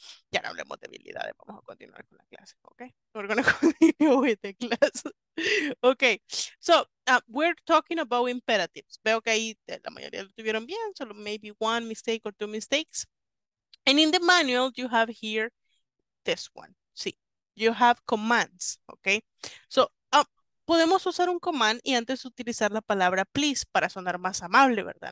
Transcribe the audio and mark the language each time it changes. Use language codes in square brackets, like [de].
[es] Ya no hablemos de habilidades, vamos a continuar con la clase, ¿ok? [en] We're going to continue with the class. Ok, so, we're talking about imperatives. [es] Veo que ahí la mayoría lo tuvieron bien, solo [en] maybe one mistake or two mistakes. And in the manual, you have here this one. Sí, you have commands, ¿ok? [es] So, podemos usar un command y antes utilizar la palabra please para sonar más amable, ¿verdad?